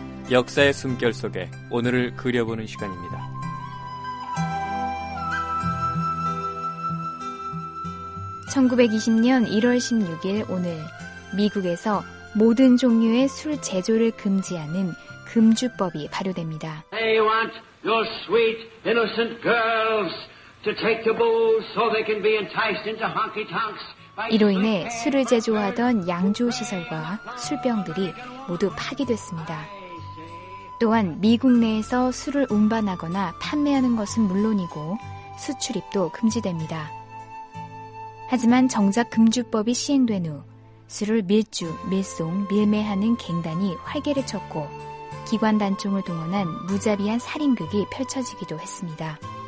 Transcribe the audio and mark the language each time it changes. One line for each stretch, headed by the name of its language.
Korean: 역사의 숨결 속에 오늘을 그려보는 시간입니다. 1920년 1월 16일 오늘, 미국에서 모든 종류의 술 제조를 금지하는 금주법이 발효됩니다.
English: They want your sweet, innocent girls to take the booze so they can be enticed into honky-tonks.
Korean: 이로 인해 술을 제조하던 양조시설과 술병들이 모두 파기됐습니다. 또한 미국 내에서 술을 운반하거나 판매하는 것은 물론이고 수출입도 금지됩니다. 하지만 정작 금주법이 시행된 후 술을 밀주, 밀송, 밀매하는 갱단이 활개를 쳤고 기관단총을 동원한 무자비한 살인극이 펼쳐지기도 했습니다.